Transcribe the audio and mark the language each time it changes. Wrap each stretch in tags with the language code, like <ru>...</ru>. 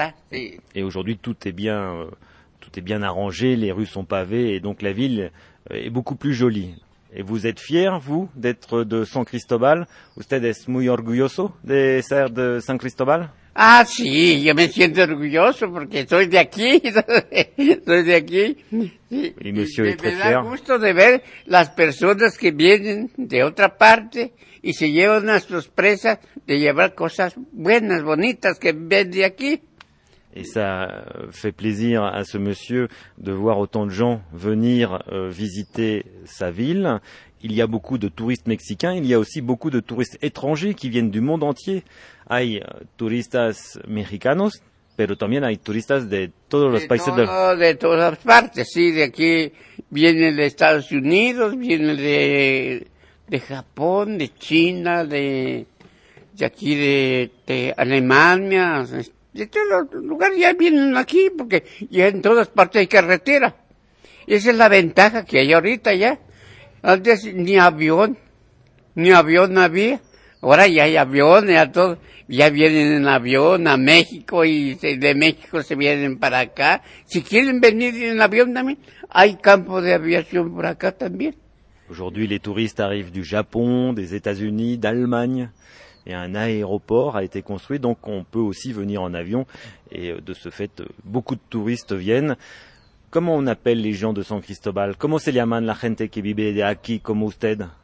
<fr>Et aujourd'hui, tout est bien arrangé. Les rues sont pavées et donc la ville est beaucoup plus jolie. Et vous êtes fier, vous, d'être de San Cristobal?</fr> <es>Usted es muy orgulloso de ser de San Cristobal? Ah, sí, yo me siento orgulloso porque soy de aquí, soy de aquí.</es> <fr>Y monsieur est très</fr> <es>fier. Me da gusto de ver las personas que vienen de otra parte y se llevan a sus presas de llevar cosas buenas, bonitas que ven de aquí.</es> <fr>Et ça fait plaisir à ce monsieur de voir autant de gens venir visiter sa ville. Il y a beaucoup de touristes mexicains, il y a aussi beaucoup de touristes étrangers qui viennent du monde entier.</fr> <es>Hay turistas mexicanos, pero también hay turistas de todos los países del mundo. De todas partes, sí, de aquí vienen de Estados Unidos, vienen de Japón, de China, de aquí de Alemania, de todos los lugares ya vienen aquí, porque ya en todas partes hay carretera. Esa es la ventaja que hay ahorita ya. Antes ni avión había. Ahora ya hay aviones, ya todo, ya vienen en avión a México y de México se vienen para acá. Si quieren venir en avión también, hay campo de aviación por acá también.</es> <fr>Aujourd'hui, les touristes arrivent du Japon, des États-Unis, d'Allemagne. Et un aéroport a été construit, donc on peut aussi venir en avion. Et de ce fait, beaucoup de touristes viennent. Comment on appelle les gens de San Cristobal?</fr> <es>Comment se llaman la gente que vive de aquí como usted?</es>